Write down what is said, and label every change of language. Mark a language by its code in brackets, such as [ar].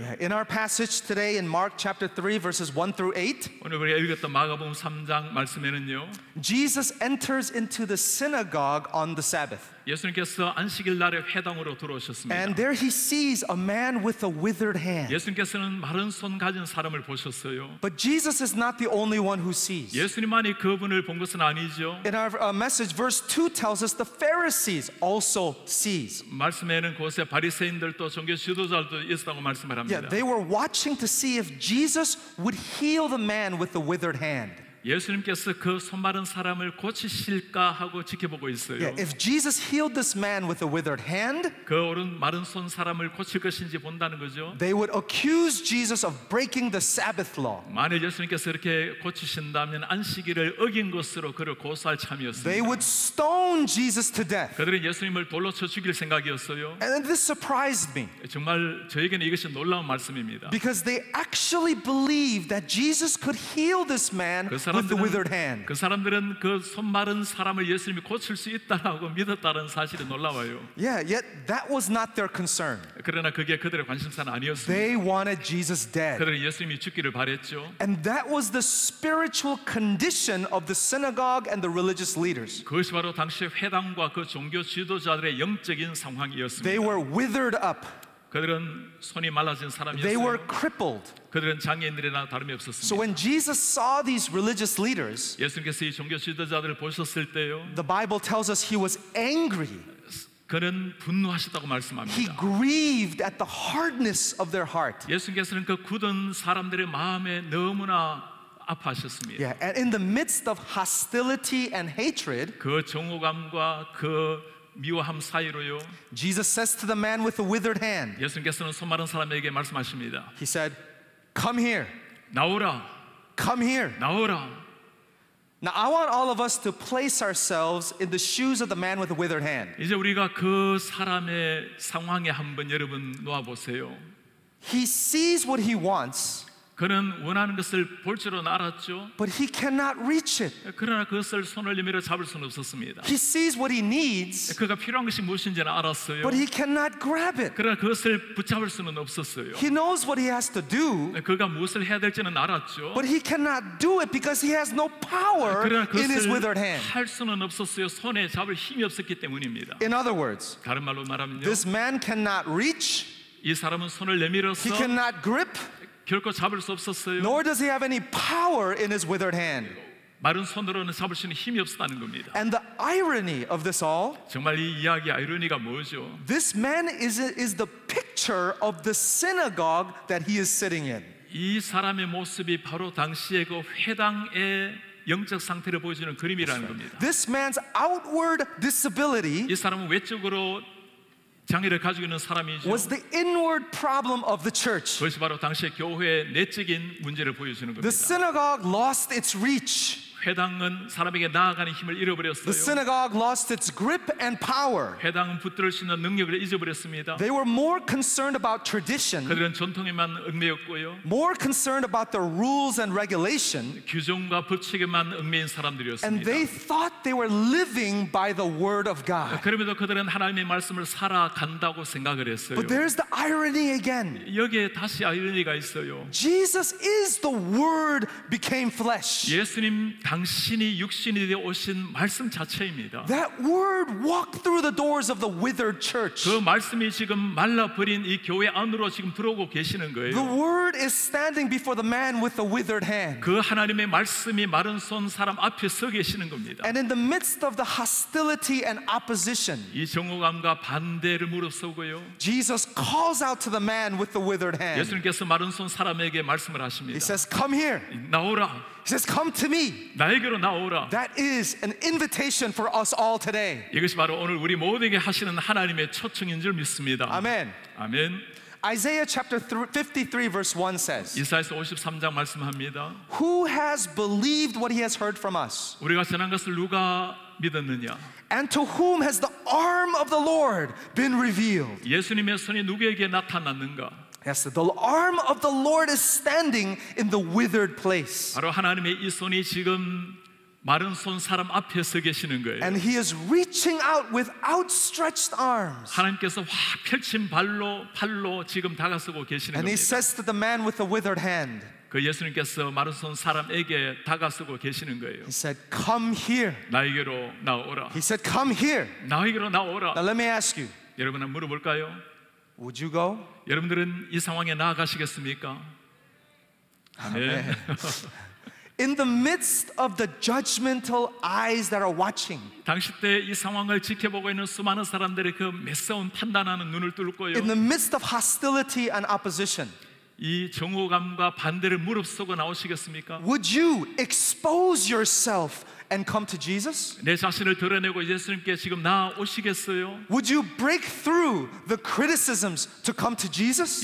[en] Yeah. In our passage today in Mark chapter 3 verses 1 through 8. [ko] 오늘 우리가 읽었던 마가복음 3장 말씀에는요. [en] Jesus enters into the synagogue on the Sabbath. [ko] 예수님께서 안식일 날에 회당으로 들어오셨습니다. [en] And there he sees a man with a withered hand. [ko] 예수님께서는 마른 손 가진 사람을 보셨어요. [en] But Jesus is not the only one who sees. [ko] 예수님만이 그분을 본 것은 아니죠. [en] In our message verse 2 tells us the Pharisees also sees. [ko] 말씀에는 곳에 바리새인들도 종교 지도자들도 있었다고 말씀을 합니다. [en] Yeah, they were watching to see if Jesus would heal the man with the withered hand. [ko] 예수님께서 그 손 마른 사람을 고치실까 하고 지켜보고 있어요. [en] Yeah, if Jesus healed this man with a withered hand, [ko] 그 오른 마른 손 사람을 고칠 것인지 본다는 거죠. [en] They would accuse Jesus of breaking the Sabbath law. [ko] 만일 예수님께서 이렇게 고치신다면 안식일을 어긴 것으로 그를 고소할 참이었습니다. [en] They would stone Jesus to death. [ko] 그들은 예수님을 돌로 쳐 죽일 생각이었어요. [en] And this surprised me. [ko] 정말 저에게는 이것이 놀라운 말씀입니다. [en] Because they actually believed that Jesus could heal this man. [ko] 그 사람들은 그 손 마른 사람을 예수님이 고칠 수 있다라고 믿었다는 사실이 놀라워요. [en] Yeah, yet that was not their concern. [ko] 그러나 그게 그들의 관심사는 아니었어요. [en] They wanted Jesus dead. [ko] 그들은 예수님이 죽기를 바랬죠. [en] And that was the spiritual condition of the synagogue and the religious leaders. [ko] 그것이 바로 당시 회당과 그 종교 지도자들의 영적인 상황이었습니다. [en] They were withered up. [ko] 그들은 손이 말라진 사람이었어요. [en] They were crippled. [ko] 그들은 장애인들이나 다름이 없었습니다. [en] So when Jesus saw these religious leaders, [ko] 예수님께서 이 종교 지도자들을 보셨을 때요. [en] The Bible tells us he was angry. [ko] 그는 분노하셨다고 말씀합니다. [en] He grieved at the hardness of their heart. [ko] 예수님께서는 그 굳은 사람들의 마음에 너무나 아파하셨습니다. [en] Yeah, and in the midst of hostility and hatred, [ko] 그 정오감과 그 미워함 사이로요. [en] Jesus says to the man with the withered hand. [ko] 예수님께서는 손 마른 사람에게 말씀하십니다. [en] He said, "Come here." [ko] 나오라. [en] Come here. [ko] 나오라. [en] Now I want all of us to place ourselves in the shoes of the man with the withered hand. [ko] 이제 우리가 그 사람의 상황에 한번 여러분 놓아 보세요. [en] He sees what he wants. [ko] 그는 원하는 것을 볼 줄은 알았죠. [en] But he cannot reach it. [ko] 그러나 그것을 손을 내밀어 잡을 수는 없었습니다. [en] He sees what he needs. [ko] 그가 필요한 것이 무엇인지는 알았어요. [en] But he cannot grab it. [ko] 그러나 그것을 붙잡을 수는 없었어요. [en] He knows what he has to do. [ko] 그가 무엇을 해야 될지는 알았죠. [en] But he cannot do it because he has no power in his withered hand. [ko] 할 수는 없었어요. 손에 잡을 힘이 없었기 때문입니다. [en] In other words, [ko] 다른 말로 말하면요. [en] This man cannot reach. [ko] 이 사람은 손을 내밀어서 [en] he cannot grip. [ko] 결코 잡을 수 없었어요. [en] Nor does he have any power in his withered hand. [ko] 마른 손으로는 잡을 수 있는 힘이 없었다는 겁니다. [en] And the irony of this all. [ko] 정말 이 이야기 아이러니가 뭐죠? [en] This man is the picture of the synagogue that he is sitting in. [ko] 이 사람의 모습이 바로 당시의 그 회당의 영적 상태를 보여주는 그림이라는 겁니다. [en] This man's outward disability. [ko] 이 사람은 외적으로 장애를 가지고 있는 사람이죠. [en] Was the inward problem of the church. [ko] 그것이 바로 당시의 교회의 내적인 문제를 보여주는 겁니다. [en] The synagogue lost its reach. [ko] 회당은 사람에게 나아가는 힘을 잃어버렸어요. [en] The synagogue lost its grip and power. [ko] 회당은 붙들 수 있는 능력을 잊어버렸습니다. [en] They were more concerned about tradition. [ko] 그들은 전통에만 얽매였고요. [en] More concerned about the rules and regulation. [ko] 규정과 법칙에만 얽매인 사람들이었습니다. [en] And they thought they were living by the word of God. [ko] 그럼에도 그들은 하나님의 말씀을 살아간다고 생각을 했어요. [en] But there's the irony again. [ko] 여기에 다시 아이러니가 있어요. [en] Jesus is the word became flesh. [ko] 예수님 당신이 육신이 되어 오신 말씀 자체입니다. [en] That word walked through the doors of the withered church. [ko] 그 말씀이 지금 말라버린 이 교회 안으로 지금 들어오고 계시는 거예요. [en] The word is standing before the man with the withered hand. [ko] 그 하나님의 말씀이 마른 손 사람 앞에 서 계시는 겁니다. [en] And in the midst of the hostility and opposition. [ko] 이 정오감과 반대를 무릅쓰고요. [en] Jesus calls out to the man with the withered hand. [ko] 예수님께서 마른 손 사람에게 말씀을 하십니다. [en] He says, "Come here." [ko] 나오라. [en] He says, "Come to me." [ko] 나에게로 나오라. [en] That is an invitation for us all today. [ko] 이것이 바로 오늘 우리 모두에게 하시는 하나님의 초청인 줄 믿습니다. [en] Amen. Amen. Isaiah chapter 53 verse 1 says. [ko] 이사야서 53장 말씀합니다. [en] Who has believed what he has heard from us? [ko] 우리가 전한 것을 누가 믿었느냐? [en] And to whom has the arm of the Lord been revealed? [ko] 예수님의 손이 누구에게 나타났는가? [en] Yes, the arm of the Lord is standing in the withered place. [ko] 바로 하나님의 이 손이 지금 마른 손 사람 앞에 서 계시는 거예요. [en] And he is reaching out with outstretched arms. [ko] 하나님께서 확 펼친 발로 팔로 지금 다가서고 계시는 [en] And And he says to the man with the withered hand. [ko] 그 예수님께서 마른 손 사람에게 다가서고 계시는 거예요. [en] He said, "Come here." [ko] 나에게로 나오라. [en] He said, "Come here." [ko] 나에게로 나오라. [en] Now let me ask you. [ko] 여러분 한번 물어볼까요? [en] Would you go? [ko] 여러분들은 이 상황에 나아가시겠습니까? 아멘. [en] In the midst of the judgmental eyes that are watching. [ko] 당시 때 이 상황을 지켜보고 있는 수많은 사람들의 그 매서운 판단하는 눈을 뚫고요. [en] In the midst of hostility and opposition. [ko] 이 정오감과 반대를 무릅쓰고 나오시겠습니까? [en] Would you expose yourself and come to Jesus? [ko] 내 자신을 드러내고 예수님께 지금 나오시겠어요? [en] Would you break through the criticisms to come to Jesus?